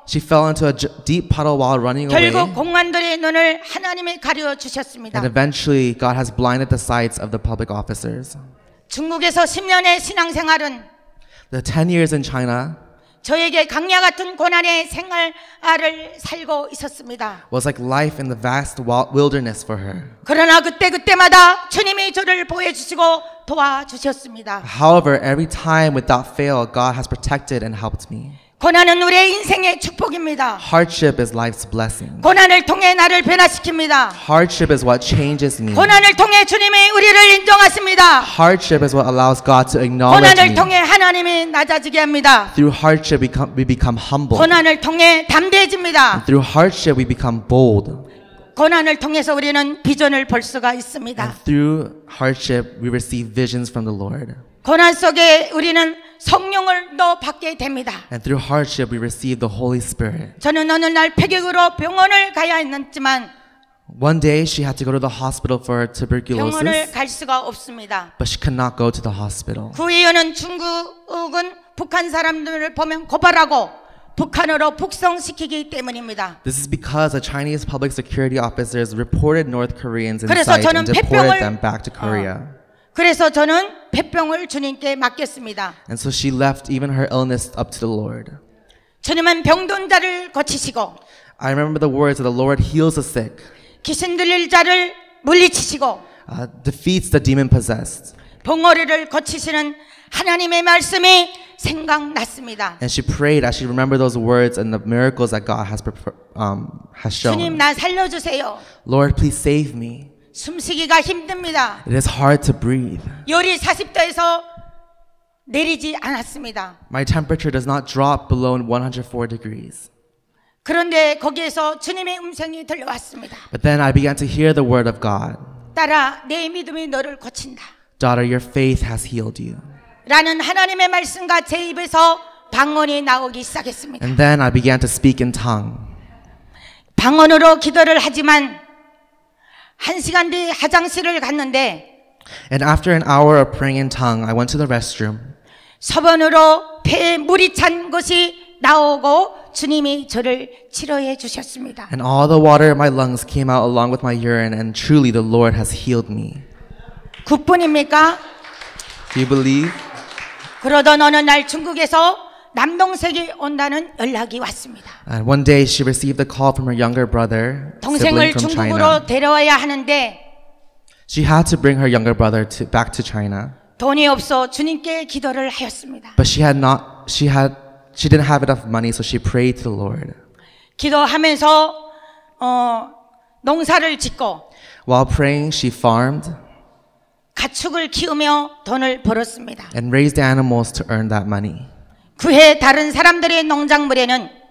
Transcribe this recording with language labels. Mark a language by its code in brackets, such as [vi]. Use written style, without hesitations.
[en] She fell into a deep puddle while running [ko] 결국 [en] away. [ko] 결국 공안들의 눈을 하나님이 가려 주셨습니다. [en] And eventually God has blinded the sights of the public officers. [ko] 중국에서 10년의 신앙생활은 [en] The 10 years in China [ko] 저에게 강야 같은 고난의 생활을 살고 있었습니다. [en] Was like life in the vast wilderness for her. [ko] 그러나 그때그때마다 주님이 저를 보호해 주시고 도와주셨습니다. [en] However, every time without fail, God has protected and helped me. [ko] 고난은 우리의 인생의 축복입니다. [en] Hardship is life's blessing. [ko] 고난을 통해 나를 변화시킵니다. [en] Hardship is what changes me. [ko] 고난을 통해 주님이 우리를 인정하십니다. [en] Hardship is what allows God to acknowledge [ko] 고난을 통해 하나님이 낮아지게 합니다. [en] Through hardship we become humble. [ko] 고난을 통해 담대해집니다. [en] And through hardship we become bold. [ko] 고난을 통해서 우리는 비전을 볼 수가 있습니다. [en] And through hardship we receive visions from the Lord. [ko] 고난 속에 우리는 성령을 더 받게 됩니다. [en] And through hardship we receive the Holy Spirit. [ko] 저는 어느 날 폐경으로 병원을 가야 했지만 [en] One day she had to go to the hospital for tuberculosis. [ko] 병원을 갈 수가 없습니다. [en] But she could not go to the hospital. [ko] 그 이유는 중국은 북한 사람들을 보면 고발하고 북한으로 북송시키기 때문입니다. [en] This is because the Chinese public security officers reported North Koreans inside and deported [ko] 폐병을, [en] them back to Korea. [ko] 그래서 저는 폐병을 주님께 맡겼습니다. [en] And so she left even her illness up to the Lord. [ko] 주님은 병든 자를 고치시고 [en] I remember the words that the Lord heals the sick. [ko] 귀신 들린 자를 물리치시고 [en] defeats the demon possessed. [ko] 벙어리를 고치시는 하나님의 말씀이 생각났습니다. [en] And she prayed as she remembered those words and the miracles that God has shown. [ko] 주님 나 살려주세요. [en] Lord, please save me. [ko] 숨쉬기가 힘듭니다. [en] It is hard to breathe. [ko] 열이 40도에서 내리지 않았습니다. [en] My temperature does not drop below 104 degrees. [ko] 그런데 거기에서 주님의 음성이 들려왔습니다. [en] But then I began to hear the word of God. [ko] 딸아, 내 믿음이 너를 고친다. [en] Daughter, your faith has healed you. [ko] 라는 하나님의 말씀과 제 입에서 방언이 나오기 시작했습니다. [en] And then I began to speak in tongue. [ko] 방언으로 기도를 하지만 한 시간 뒤 화장실을 갔는데 [en] And after an hour of praying in tongue, I went to the restroom. [ko] 서번으로 폐에 물이 찬 것이 나오고 주님이 저를 치료해 주셨습니다. [en] And all the water in my lungs came out along with my urine, and truly the Lord has healed me. [ko] 그뿐입니까? [en] Do you believe? [ko] 그러던 어느 날 중국에서 남동생이 온다는 연락이 왔습니다. [en] And one day she received a call from her younger brother, sibling from China. [ko] 동생을 중국으로 데려와야 하는데 [en] She had to bring her younger brother back to China. [ko] 돈이 없어 주님께 기도를 하였습니다. [en] But she didn't have enough money, so she prayed to the Lord. [ko] 기도하면서 농사를 짓고 [en] While praying, she farmed. [ko] 가축을 키우며 돈을 벌었습니다. [en] And raised animals to earn that money. [ko] 그해 다른 사람들의 농작물에는